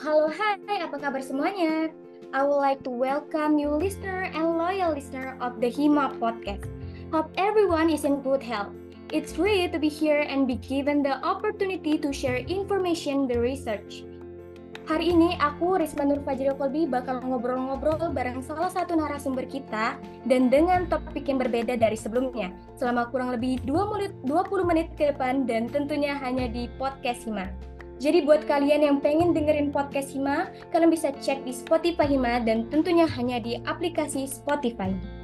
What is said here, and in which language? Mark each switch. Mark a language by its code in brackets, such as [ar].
[id] Halo, hai, apa kabar semuanya? [en] I would like to welcome you listener and loyal listener of the Hima Podcast. Hope everyone is in good health. It's great to be here and be given the opportunity to share information the research. [id] Hari ini aku, Risma Nur Fajri Kolbi, bakal ngobrol-ngobrol bareng salah satu narasumber kita dan dengan topik yang berbeda dari sebelumnya selama kurang lebih 20 menit ke depan dan tentunya hanya di Podcast Hima. Jadi buat kalian yang pengen dengerin Podcast Hima, kalian bisa cek di Spotify Hima dan tentunya hanya di aplikasi Spotify.